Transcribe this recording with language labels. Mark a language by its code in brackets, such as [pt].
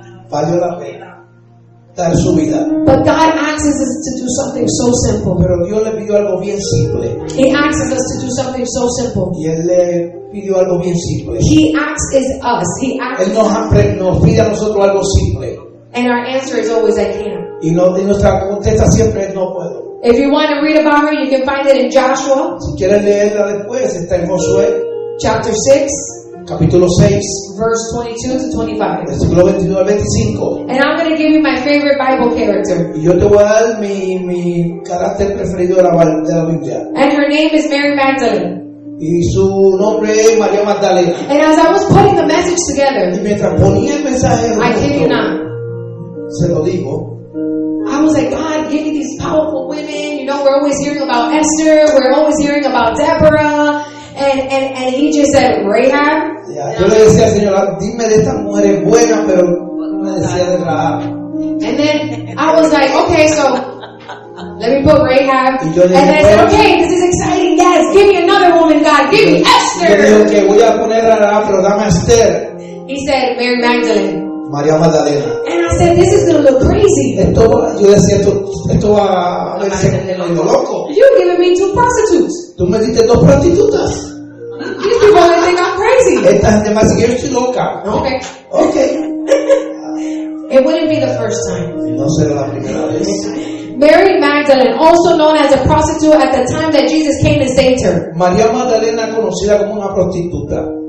[es] Valió la pena dar su vida. [en] But God asks us to do something so simple. [es] Pero Dios le pidió algo bien simple. [en] He asks us to do something so simple. [es] Y él le pidió algo bien simple. [en] He asks us. He asks. [es] Él nos pide a nosotros algo simple. [en] And our answer is always I can't. [es] Y no, y nuestra contesta siempre es no puedo. [en] If you want to read about her, you can find it in Joshua. [es] Si quieres leerla después, está en Josué. [en] Chapter 6. [es] Capítulo 6. [en] Verse 22 to 25. [es] Versículo 22 al 25. [en] And I'm going to give you my favorite Bible character. [es] Y yo te voy a dar mi carácter preferido de la Biblia. [en] And her name is Mary Magdalene. [es] Y su nombre es María Magdalena. [en] And as I was putting the message together. [es] Y mientras ponía el mensaje. [en] I kid you not. [es] Se lo digo. [en] I was like, God, give me these powerful women. You know, we're always hearing about Esther. We're always hearing about Deborah. And he just said, Rahab. [es] Yeah. Yo le decía, Señor, dime de estas mujeres buenas, pero me decía de Rahab. [en] And then I was like, okay, so let me put Rahab. [es] Y yo le [en] and then I said, okay, this is exciting. Yes, give me another woman, God. Give me Esther. [es] Yo le dije, okay, voy a poner a Rahab, pero dame a Esther. [en] He said, Mary Magdalene. [es] María Magdalena. [en] And I said, this is going to look crazy. [es] Esto, yo decía, esto va a verse como loco. [en] You're giving me two prostitutes. [es] Tú me diste dos prostitutas. [en] These people are going to think I'm crazy. [es] Esta gente me dice que yo estoy loca. No. Okay. [en] It wouldn't be the first time. [es] No será la primera vez. [en] Mary Magdalene, also known as a prostitute at the time that Jesus came and saved her. [es] María Magdalena, conocida como una prostituta.